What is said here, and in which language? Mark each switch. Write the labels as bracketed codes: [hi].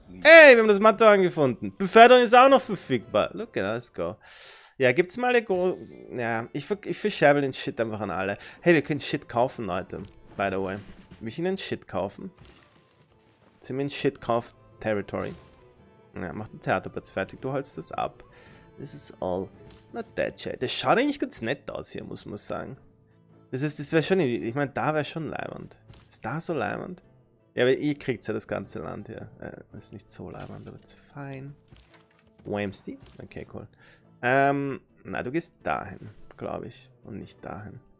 [de] Hey, wir haben das Matterhorn gefunden. Beförderung ist auch noch verfügbar. [en] Look at us go. [de] Ja, gibt's mal eine Ja, ich verscherbe den Shit einfach an alle. Hey, wir können Shit kaufen, Leute. [en] By the way. [de] Will ich Ihnen Shit kaufen? Sind wir in Shit-Kauf-Territory? Ja, mach den Theaterplatz fertig. Du holst das ab. [en] This is all not that shit. [de] Das schaut eigentlich ganz nett aus hier, muss man sagen. Das wäre schon... Ich meine, da wäre schon leibend. Ist da so leibend? Ja, aber ihr kriegt ja das ganze Land hier. Ist nicht so leibend, aber ist fein. Wham's Deep? Okay, cool. Na, du gehst dahin, glaube ich. Und nicht dahin.